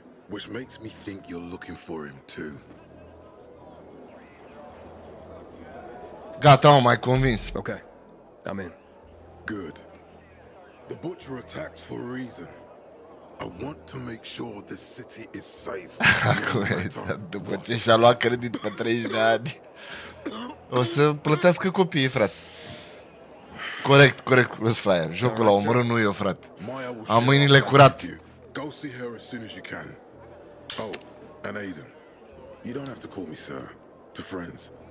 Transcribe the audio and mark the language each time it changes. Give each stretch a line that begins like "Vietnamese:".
English: Which makes me think you're looking for him too.
Romanian: Gata, m-ai convins.
English: Okay. Amen. Good. The Butcher attacked for a reason. I want to make sure this city is safe.
Romanian: După ce și-a luat credit pe 30 de ani, o să plătească copiii, frate. Corect, corect, Cruz Flyer. Jocul la omoră nu e o, frate. Am mâinile curate.
English: Go see her as soon as you can. Oh, and Aiden, you don't have to call me sir, to friends.